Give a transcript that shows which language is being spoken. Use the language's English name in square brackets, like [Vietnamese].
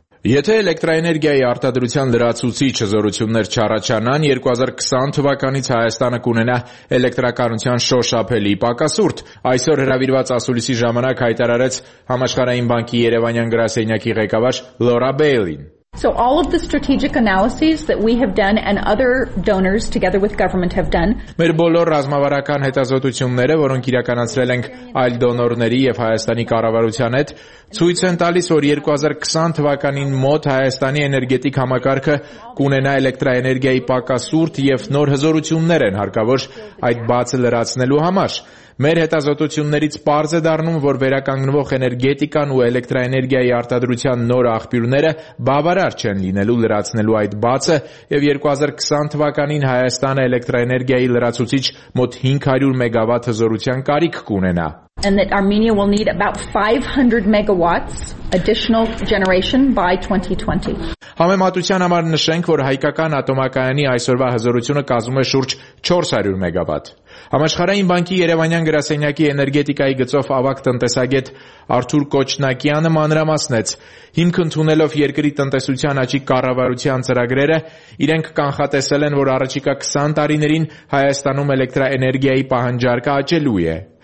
[Armenian] Եթե էլեկտրաէներգիայի արտադրության լրացուցիչ զորություններ չառաջանան, 2020 թվականից Հայաստանը կունենա էլեկտրակառության շոշափելի պակասուրտ։ Այսօր հրավիրված ասուլիսի ժամանակ հայտարարեց Համաշխարհային բանկի Երևանյան գրասենյակի ղեկավար Լորա Բեյլին։ [English] So all of the strategic analyses that we have done and other donors together with government have done. [Armenian] Մեր բոլոր ռազմավարական հետազոտությունները, որոնք իրականացրել ենք այլ դոնորների եւ Հայաստանի կառավարության հետ, ցույց են տալիս, որ 2020 թվականին մոտ Հայաստանի էներգետիկ համակարգը կունենա էլեկտրաէներգիայի պակասուրտ եւ նոր հզորություններ են հարկավոր այդ բացը լրացնելու համար։ Մեր հետազոտություններից պարզ է դառնում, որ վերականգնվող էներգետիկան ու էլեկտրաէներգիայի արտադրության նոր աղբյուրները բավարար չեն լինելու լրացնելու այդ բացը, եւ 2020 թվականին Հայաստանը էլեկտրաէներգիայի լրացուցիչ մոտ 500 մեգավատ հզորության կարիք կունենա։ [English] And that Armenia will need about 500 megawatts additional generation by 2020. [Armenian] Համեմատության համար նշենք, որ հայկական ատոմակայանի այսօրվա հզորությունը կազմում է շուրջ 400 մեգավատ։ Համաշխարհային բանկի Երևանյան գրասենյակի էներգետիկայի գծով ավագ տնտեսագետ Արթուր Կոչնակյանը մանրամասնեց, հիմք ընդունելով երկրի տնտեսության աճի կառավարության ծրագրերը, իրենք կանխատեսել են, որ առաջիկա 20 տարիներին Հայաստանում էլեկտրաէներգիայի պահանջարկը աճելու է։